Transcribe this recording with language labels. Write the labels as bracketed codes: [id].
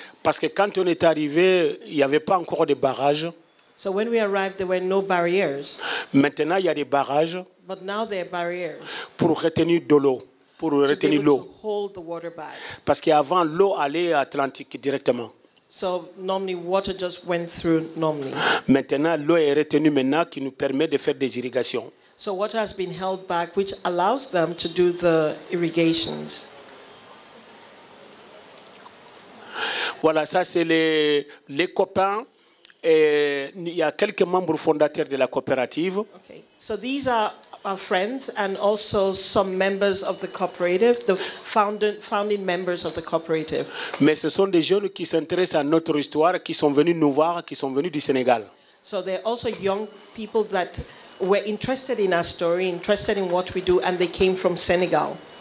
[fr] Parce que quand on est arrivé, il n'y avait pas encore de barrages. [en] So when we arrived, there were no barriers. [fr] Maintenant, il y a des barrages. [en] But now there are barriers. [fr] Pour retenir de l'eau, pour [en] to [fr] retenir l'eau. [en] To hold the water back. [fr] Parce qu'avant, l'eau allait à l'Atlantique directement. [en] So normally, water just went through normally. [fr] Maintenant, l'eau est retenue maintenant, qui nous permet de faire des irrigations. [en] So water has been held back, which allows them to do the irrigations. [fr] Voilà, ça c'est les copains. Et il y a quelques membres fondateurs de la coopérative. [en] Okay. So these are our friends and also some members of the cooperative, the founding members of the cooperative. [fr] Mais ce sont des jeunes qui s'intéressent à notre histoire, qui sont venus nous voir, qui sont venus du Sénégal. [en] So they're also young people that were interested in our story, interested in what we do, and they came from Senegal.